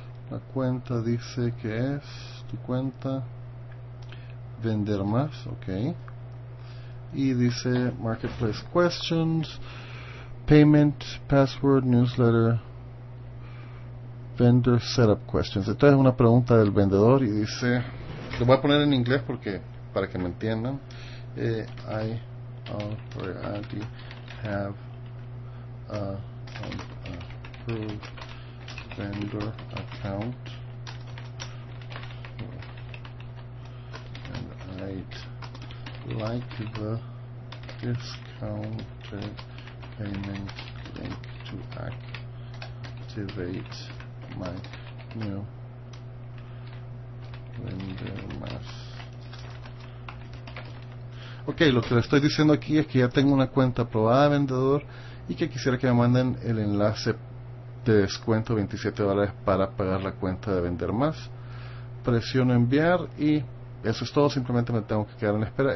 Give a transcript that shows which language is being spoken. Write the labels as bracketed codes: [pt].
[es] La cuenta dice que es tu cuenta vender más. Ok. Y dice Marketplace Questions, Payment, Password, Newsletter. Vendor Setup Questions. Esta es una pregunta del vendedor y dice, lo voy a poner en inglés porque para que me entiendan. [en] I already have a approved vendor account and I'd like the discounted payment link to activate my new vendor mask. [es] Ok, lo que le estoy diciendo aquí es que ya tengo una cuenta aprobada de vendedor y que quisiera que me manden el enlace de descuento $27 para pagar la cuenta de vender más. Presiono enviar y eso es todo, simplemente me tengo que quedar en espera.